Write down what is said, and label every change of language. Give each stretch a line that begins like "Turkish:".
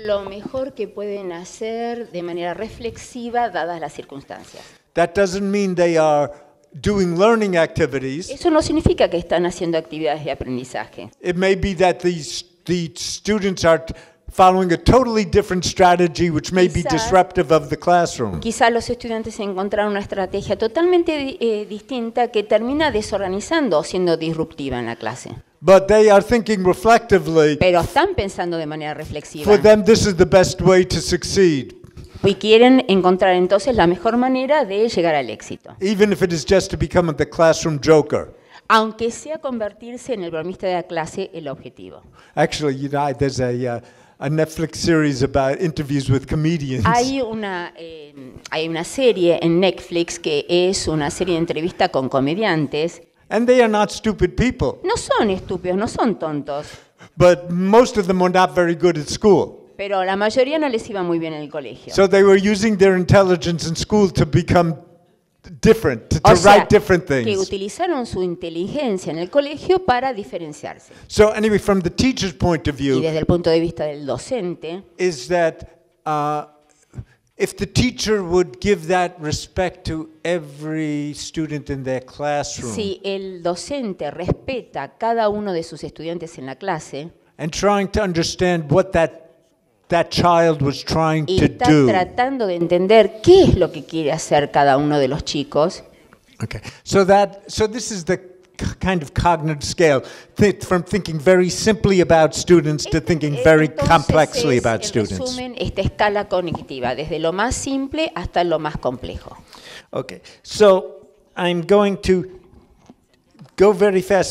Spanish: Lo mejor que pueden hacer de manera reflexiva dadas las circunstancias.
English: That doesn't mean they are doing learning activities.
Spanish: Eso no significa que están haciendo actividades de aprendizaje.
English: It may be that the students are following a totally different strategy which may be disruptive of the classroom.
Spanish: Quizá los estudiantes encontraron una estrategia totalmente distinta que termina desorganizando o siendo disruptiva en la clase.
English: But they are thinking reflectively.
Spanish: Pero están pensando de manera reflexiva.
English: For them, this is the best way to succeed.
Spanish: Y quieren encontrar entonces la mejor manera de llegar al éxito.
English: Even if it is just to become the classroom joker.
Spanish: Aunque sea convertirse en el bromista de la clase, el objetivo.
English: Actually, you know, there's a Netflix series about interviews with comedians.
Spanish: Hay una serie en Netflix que es una serie de entrevista con comediantes.
English: And they are not stupid people.
Spanish: No son estúpidos, no son tontos.
English: But most of them were not very good at school.
Spanish: Pero la mayoría no les iba muy bien en el colegio.
English: So they were using their intelligence in school to become different, to
Spanish: o sea,
English: write different things.
Spanish: Que utilizaron su inteligencia en el colegio para diferenciarse.
English: So anyway, from the teacher's point of view,
Spanish: y desde el punto de vista del docente,
English: is that if the teacher would give that respect to every student in their classroom.
Spanish: Si el docente respeta a cada uno de sus estudiantes en la clase.
English: And trying to understand what that child was trying to do.
Spanish: Y está tratando de entender qué es lo que quiere hacer cada uno de los chicos.
English: Okay. So this is the kind of cognitive scale, from thinking very simply about students to thinking very complexly about students.
Spanish: En resumen, esta escala cognitiva, desde lo más simple hasta lo más complejo.
English: Okay, so I'm going to go very fast.